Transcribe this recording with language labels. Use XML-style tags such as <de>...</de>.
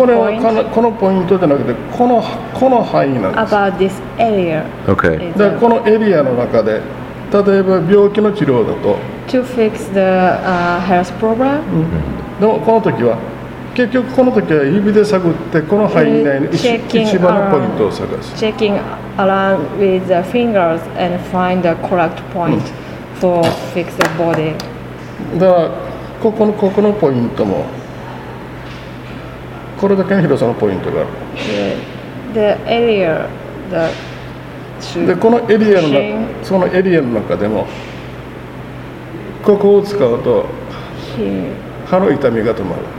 <ja>これはこのポイントじゃなくて、この範囲なんです。</ja> <en>About this area. Okay.</en> <ja>だからこのエリアの中で、例えば病気の治療だと。</ja> <en>To fix the health problem.</en> <ja>でもこの時は、結局この時は指で探ってこの範囲内に一番のポイントを探す。</ja> <en>Checking around with the fingers and find the correct point for fix the body.</en> <ja>だからここのポイントも、これが健弘さんのポイントがある。</ja> <en>The area that should</en> <ja>でこのエリアの中、そのエリアの中でもここを使うと歯の痛みが止まる。</ja>